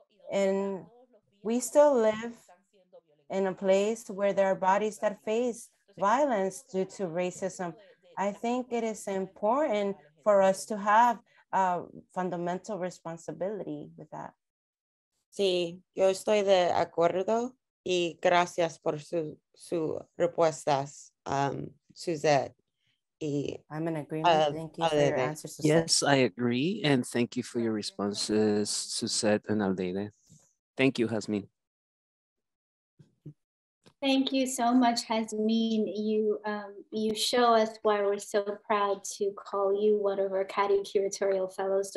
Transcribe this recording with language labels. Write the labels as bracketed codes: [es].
[en] And we still live in a place where there are bodies that face violence due to racism. I think it is important for us to have a fundamental responsibility with that. [es] Sí, yo estoy de acuerdo y gracias por su respuestas, Suset. [en] I'm in agreement. Thank you for your answer, Suset. Yes, I agree. And thank you for your responses, Suset and Aldeide. Thank you, Jasmine. Thank you so much, Jasmine. You show us why we're so proud to call you one of our CCCADI curatorial fellows.